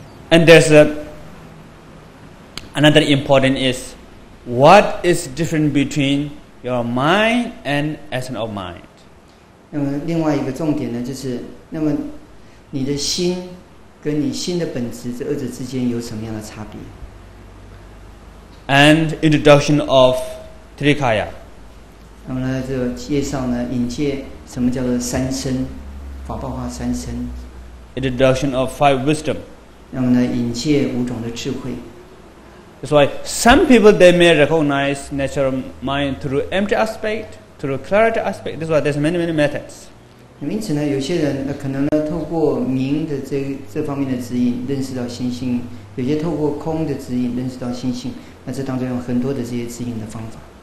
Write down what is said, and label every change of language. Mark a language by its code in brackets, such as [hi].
[en] And there's another important is, what is different between your mind and essence of mind? [zh] 那么另外一个重点呢，就是那么你的心跟你心的本质这二者之间有什么样的差别 [en] ？And introduction of Trikaya. [zh] 那么呢，这个介绍呢，引介什么叫做三身，法报化三身 [en] ？Introduction of five wisdom. [zh] 那么呢，引介五种的智慧。 [en] That's why some people they may recognize natural mind through empty aspect, through clarity aspect. That's why there's many methods. [zh] 因此呢，有些人可能呢透过明的这方面的指引认识到心性，有些透过空的指引认识到心性。那这当中有很多的这些指引的方法。